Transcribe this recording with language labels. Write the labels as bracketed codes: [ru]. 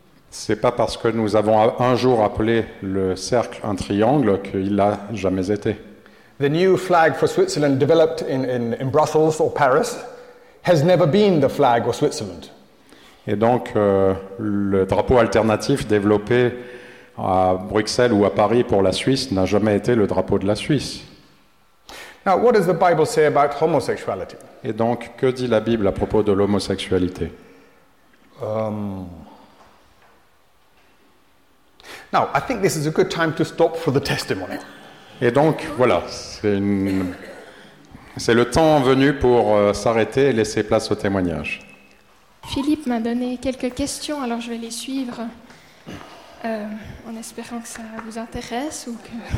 [fr] C'est pas parce que nous avons un jour appelé le cercle un triangle qu'il l'a jamais été. [en] The new flag for Switzerland developed in Brussels or Paris has never been the flag of Switzerland. [fr] Et donc le drapeau alternatif développé à Bruxelles ou à Paris pour la Suisse n'a jamais été le drapeau de la Suisse. [en] Now, what does the Bible say about homosexuality? [fr] Et donc, que dit la Bible à propos de l'homosexualité? [en] Now, I think this is a good time to stop for the testimony. [fr] Et donc, voilà, c'est le temps venu pour s'arrêter et laisser place au témoignage. Philippe m'a donné quelques questions, alors je vais les suivre en espérant que ça vous intéresse ou que...